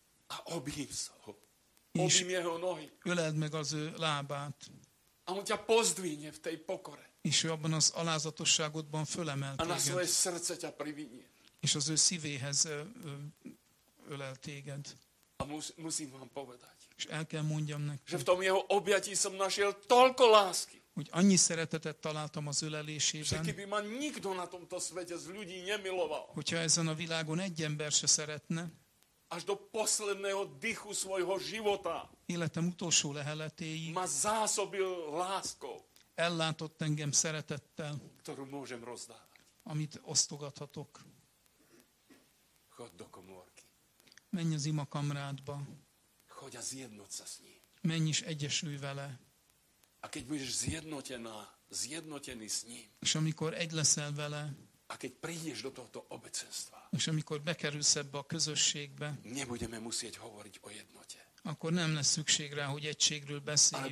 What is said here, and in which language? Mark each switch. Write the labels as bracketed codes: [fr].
[sk] A obímsa ho. Obím jeho nohy. [hu] Öleld meg az ő lábát. [sk] A on ťa pozdvíne v tej pokore. [hu] És ő abban az alázatosságodban fölemel téged. [sk] A na svoje srdce ťa privinie. [hu] És az ő szívéhez ölel téged. [sk] A musím vám povedať. [hu] És el kell mondjam neki. [sk] Že v tom jeho objatí som našiel toľko lásky. [hu] Hogy annyi szeretetet találtam az ölelésében. [sk] Že keby ma nikto na tomto svete z ľudí nemiloval. [hu] Hogyha ezen a világon egy ember se szeretne. [sk] Až do posledného dychu svojho života. [hu] Életem utolsó leheletéig. [sk] Ma zásobil láskou. [hu] Ellátott engem szeretettel. [sk] Ktorú môžem rozdávať. [hu] Amit osztogathatok. [sk] Chod do komórky. [hu] Menj az imakamrádba. [sk] Chod a zjednoc sa s ním. [hu] Menj is egyesülj vele. [sk] A keď budeš zjednotený s ním. [hu] És amikor egy leszel vele. [sk] A keď prídeš do tohto obecenstva. [hu] És amikor bekerülsz ebbe a közösségbe. [sk] Nebudeme musieť hovoriť o jednote. [hu] Akkor nem lesz szükség rá, hogy egységről beszéljünk.